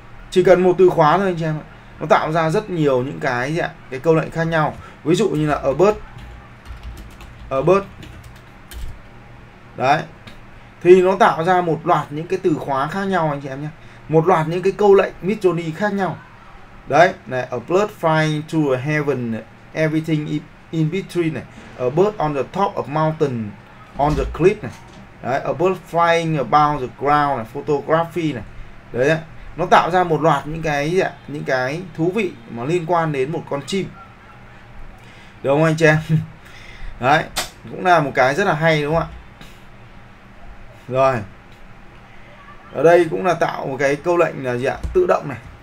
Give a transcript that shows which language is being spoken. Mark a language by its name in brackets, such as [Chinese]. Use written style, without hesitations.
[Vietnamese] Chỉ cần một từ khóa thôi anh chị em ạ. Nó tạo ra rất nhiều những cái gì ạ? Cái câu lệnh khác nhau. Ví dụ như là a bird. Đấy. thì nó tạo ra một loạt những cái từ khóa khác nhau anh chị em nhé, một loạt những cái câu lệnh Midjourney khác nhau. [English] Đấy này, a bird flying to a heaven, everything in between này, a bird on the top of mountain on the cliff này, đấy, a bird flying about the ground này, photography này. [Vietnamese] Đấy, nó tạo ra một loạt những cái thú vị mà liên quan đến một con chim, đúng không anh chị em? Đấy, cũng là một cái rất là hay đúng không ạ? Rồi, ở đây cũng là tạo một cái câu lệnh là gì ạ? Tự động này.